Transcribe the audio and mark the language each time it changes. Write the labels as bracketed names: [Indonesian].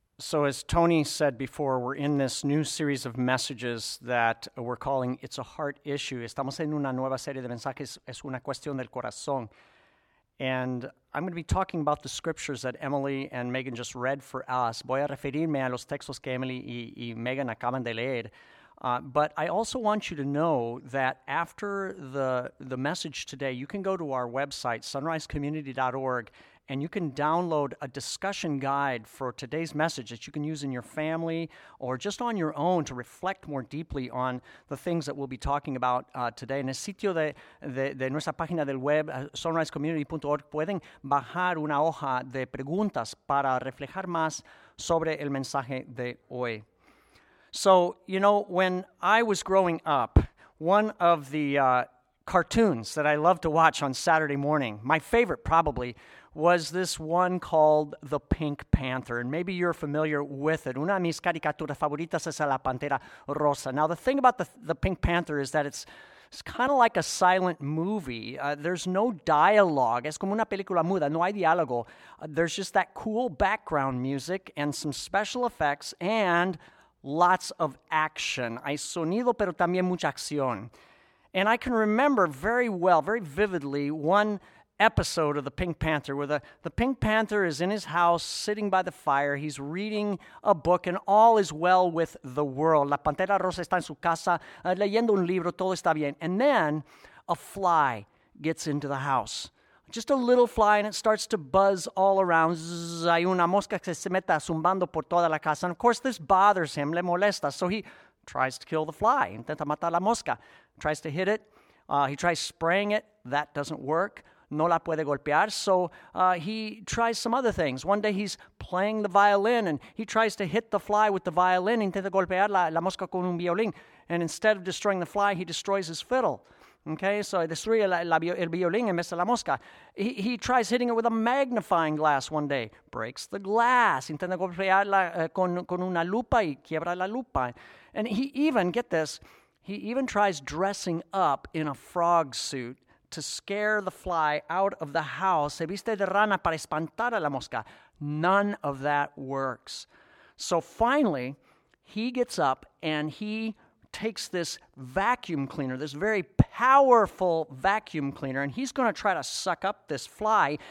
[English] So as Tony said before, we're in this new series of messages that we're calling It's a Heart Issue. [Spanish] Estamos en una nueva serie de mensajes, Es una Cuestión del Corazón. [English] And I'm going to be talking about the scriptures that Emily and Megan just read for us. [Spanish] Voy a referirme a los textos que Emily y Megan acaban de leer. [English] But I also want you to know that after the message today, you can go to our website, sunrisecommunity.org, and you can download a discussion guide for today's message that you can use in your family or just on your own to reflect more deeply on the things that we'll be talking about today. [Spanish] En el sitio de nuestra página del web, sunrisecommunity.org, pueden bajar una hoja de preguntas para reflejar más sobre el mensaje de hoy. [English] So, you know, when I was growing up, one of the cartoons that I loved to watch on Saturday morning, my favorite probably, was this one called The Pink Panther. And maybe you're familiar with it. [Spanish] Una de mis caricaturas favoritas es La Pantera Rosa. [English] Now, the thing about the Pink Panther is that it's kind of like a silent movie. There's no dialogue. [Spanish] Es como una película muda. No hay diálogo. [English] There's just that cool background music and some special effects and lots of action. [Spanish] Hay sonido, pero también mucha acción. [English] And I can remember very well, very vividly, one episode of The Pink Panther, where the Pink Panther is in his house, sitting by the fire. He's reading a book, and all is well with the world. [Spanish] La Pantera Rosa está en su casa, leyendo un libro, todo está bien. [English] And then a fly gets into the house. Just a little fly, and it starts to buzz all around. [Spanish] Zzz, hay una mosca que se mete zumbando por toda la casa. [English] And of course, this bothers him, [Spanish] le molesta. [English] So he tries to kill the fly, [Spanish] intenta matar la mosca. [English] Tries to hit it. He tries spraying it. That doesn't work. [Spanish] No la puede golpear. [English] So he tries some other things. One day he's playing the violin, and he tries to hit the fly with the violin, [Spanish] intenta golpear la mosca con un violín. [English] And instead of destroying the fly, he destroys his fiddle. [Spanish] Okay, so destruye el violín en vez de la mosca. [English] He tries hitting it with a magnifying glass one day. Breaks the glass. [Spanish] Intenta golpearla con una lupa y quiebra la lupa. [English] And he even, get this, he even tries dressing up in a frog suit to scare the fly out of the house. [Spanish] Se viste de rana para espantar a la mosca. [English] None of that works. So finally, he gets up and he takes this vacuum cleaner, this very powerful vacuum cleaner, and he's going to try to suck up this fly.